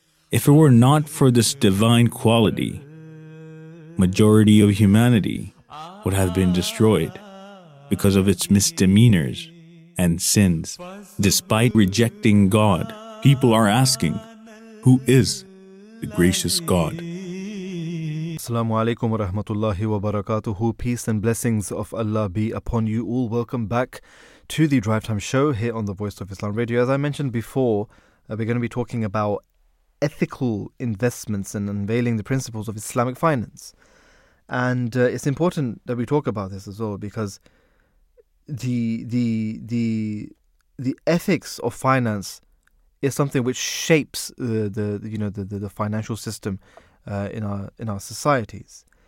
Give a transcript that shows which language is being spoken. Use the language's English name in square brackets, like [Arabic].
[English] If it were not for this divine quality, majority of humanity would have been destroyed because of its misdemeanors and sins. Despite rejecting God, people are asking, who is the gracious God? [Arabic] Assalamu alaikum wa rahmatullahi wa barakatuhu. [English] Peace and blessings of Allah be upon you all. Welcome back to the Drive Time Show here on the Voice of Islam Radio. As I mentioned before, we're going to be talking about ethical investments and unveiling the principles of Islamic finance. And it's important that we talk about this as well, because the ethics of finance is something which shapes the financial system in our societies.